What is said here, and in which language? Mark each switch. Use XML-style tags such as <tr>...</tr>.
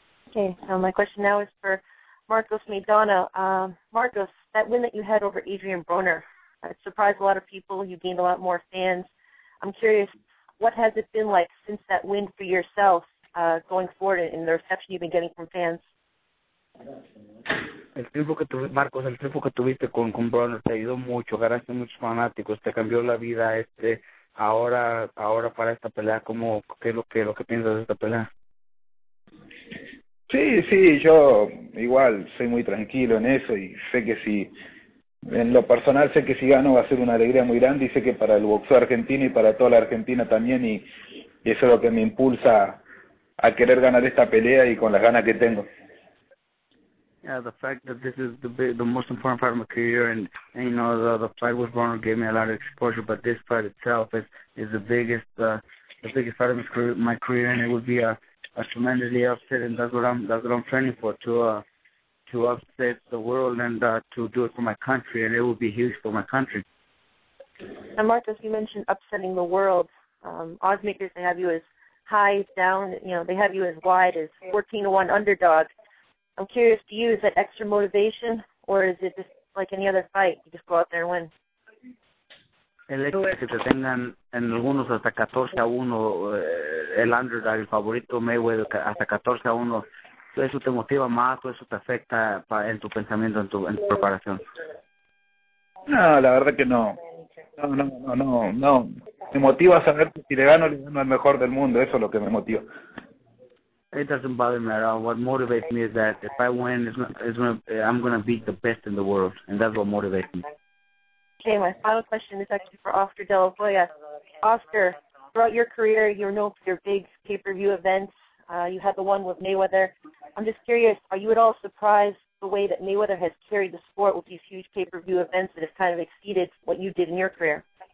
<en>Okay, so my question now is for Marcos Maidana. Marcos, that win that you had over Adrian Broner, it surprised a lot of people. You gained a lot more fans. I'm curious, what has it been like since that win for yourself going forward and the reception you've been getting from fans?</en> <es>Marcos, el tiempo que tuviste con Broner te ayudó mucho. Ganaste muchos fanáticos, te cambió la vida. Ahora para esta pelea, ¿cómo, qué es lo que piensas de esta pelea? Sí, yo igual soy muy tranquilo en eso y sé que si, en lo personal, sé que si gano va a ser una alegría muy grande y sé que para el boxeo argentino y para toda la Argentina también, y eso es lo que me impulsa a querer ganar esta pelea y con las ganas que tengo.</es> <en>Yeah, the fact that this is the most important part of my career, and you know, the fight with Broner gave me a lot of exposure, but this fight itself is the biggest part of my career, and it would be a tremendously upset, and that's what I'm training for, to upset the world and to do it for my country, and it would be huge for my country. And Marcos, you mentioned upsetting the world. Oddsmakers, they have you as high as down, you know, they have you as wide as 14-1 underdog. I'm curious to you, is that extra motivation, or is it just like any other fight, you just go out there and win?</en> <es>El hecho de que te tengan en algunos hasta 14-1, el underdog, el favorito Mayweather, hasta 14-1, todo eso te motiva más, todo eso te afecta en tu pensamiento, en tu preparación. No, la verdad que no. No. Me motiva saber que si le gano al mejor del mundo, eso es lo que me motiva.</es> <en>It doesn't bother me at all. What motivates me is that if I win, I'm going to beat the best in the world, and that's what motivates me. Okay, my final question is actually for Oscar De La Hoya. Oscar, throughout your career, you're known for your big pay-per-view events. You had the one with Mayweather. I'm just curious, are you at all surprised the way that Mayweather has carried the sport with these huge pay-per-view events that have kind of exceeded what you did in your career?</en>